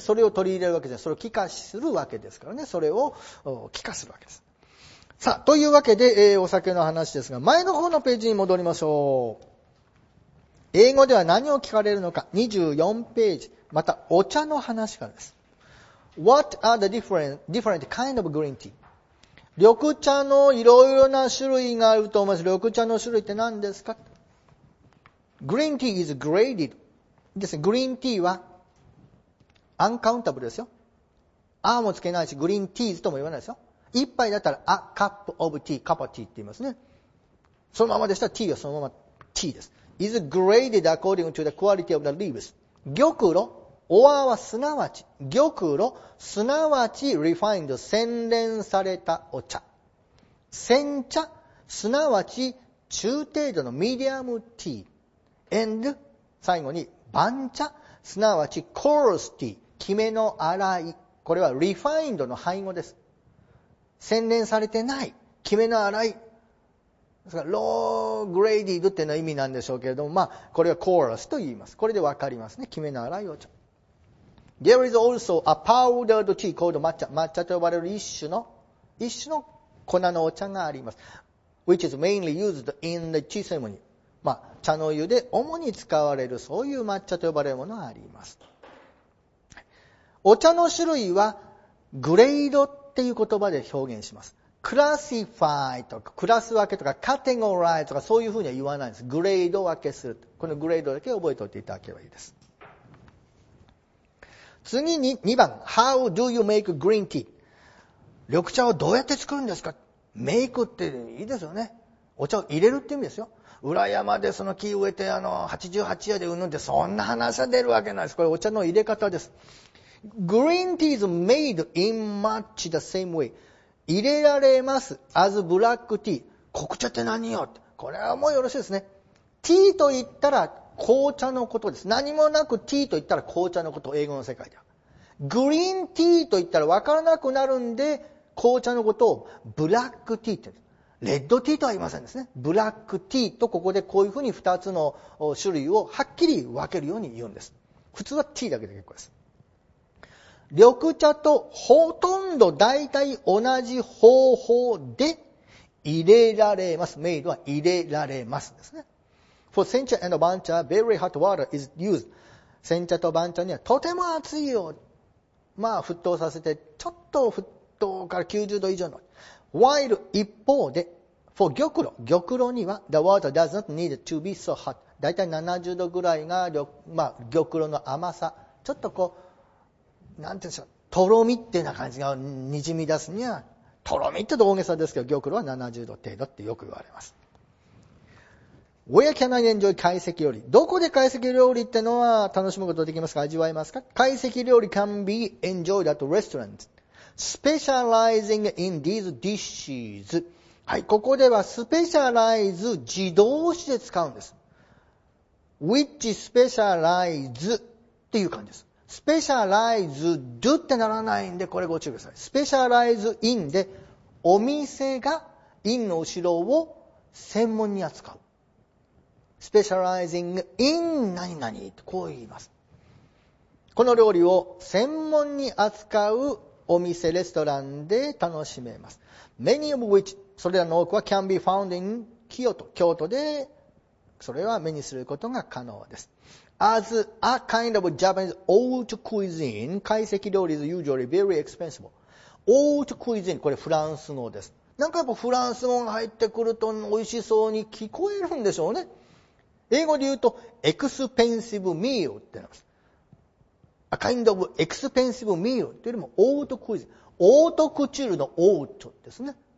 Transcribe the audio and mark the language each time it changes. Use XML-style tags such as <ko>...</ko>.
<ja>それを取り入れるわけです。それを気化するわけですからね。それを気化するわけです。さあ、というわけで、お酒の話ですが、前の方のページに戻りましょう。英語では何を聞かれるのか、24ページ。また、お茶の話からです。</ja> <en>What are the different kind of green tea?</en> <ja>緑茶のいろいろな種類があると思います。緑茶の種類って何ですか？</ja> <en>Green tea is graded ですね。</en> <ja>Green tea はアンカウンタブルですよ。アーもつけないし、グリーンティーズとも言わないですよ。一杯だったら、アカップオブティー、カパティーって言いますね。そのままでしたら、ティーはそのままティーです。</ja> <en>is graded according to the quality of the leaves.</en> <ja>玉露、オアはすなわち、玉露、すなわち refined、洗練されたお茶。煎茶、すなわち中程度のミディアムティー。 and、最後に、番茶、すなわち、コールスティー、キメの粗い。これは、リファインドの配合です。洗練されてない、キメの粗い。ですから、ローグレーディードっていうのは意味なんでしょうけれども、まあ、これはコールスと言います。これでわかりますね。キメの粗いお茶。 There is also a powdered tea called 抹茶。抹茶と呼ばれる一種の粉のお茶があります。</ja> <en>which is mainly used in the tea ceremony.</en> <ja>まあ、茶の湯で主に使われる、そういう抹茶と呼ばれるものがあります。お茶の種類は、グレードっていう言葉で表現します。クラシファイとか、クラス分けとか、カテゴライとか、そういうふうには言わないんです。グレード分けする。このグレードだけ覚えておいていただければいいです。次に、2番。</ja> <en>How do you make green tea?</en> <ja>緑茶をどうやって作るんですか？メイクっていいですよね。お茶を入れるって意味ですよ。裏山でその木植えて88夜でうぬんで、そんな話は出るわけないです。これお茶の入れ方です。</ja> <en>Green tea is made in much the same way 入れられます as black tea 黒茶って何よ。</en> <ja>これはもうよろしいですね。tea と言ったら紅茶のことです。何もなく tea と言ったら紅茶のこと。英語の世界では Green tea と言ったら分からなくなるんで、紅茶のことを black tea って言うんです。レッドティーとは言いませんですね。ブラックティーと、ここでこういうふうに2つの種類をはっきり分けるように言うんです。普通はティーだけで結構です。緑茶とほとんど大体同じ方法で入れられます。メイドは入れられますですね。</ja> <en>For 煎茶 and 番茶 very hot water is used。</en> <ja>煎茶と番茶にはとても熱いよ、まあ沸騰させて、ちょっと沸騰から90度以上の、while 一方で、for 玉露には、 the water does not need to be so hot。だいたい70度ぐらいが、まあ、玉露の甘さ。ちょっとこう、なんていうんでしょう、とろみっていう感じが滲み出すには、とろみって大げさですけど、玉露は70度程度ってよく言われます。</ja> <en>Where can I enjoy 懐石料理？</en> <ja>どこで懐石料理ってのは楽しむことできますか？味わえますか？</ja> <en>懐石料理 can be enjoyed at restaurants. Specializing in these dishes。</en> <ja>はい、ここではスペシャライズ、自動詞で使うんです。 which specialize っていう感じです。 specialize do ってならないんで、これご注意ください。 specialize in で、お店が in の後ろを専門に扱う。 specializing in 何々ってこう言います。この料理を専門に扱うお店レストランで楽しめます。 Many of which、それらの多くは can be found in 京都で、それは目にすることが可能です。</ja> <en>As a kind of Japanese old cuisine, 懐石料理 is usually very expensive.</en> <ja>Old cuisine, これフランス語です。なんかやっぱフランス語が入ってくると美味しそうに聞こえるんでしょうね。英語で言うと expensive meal って言います。 A kind of expensive meal っていうよりも old cuisine、 オートクチュールの old ですね。</ja>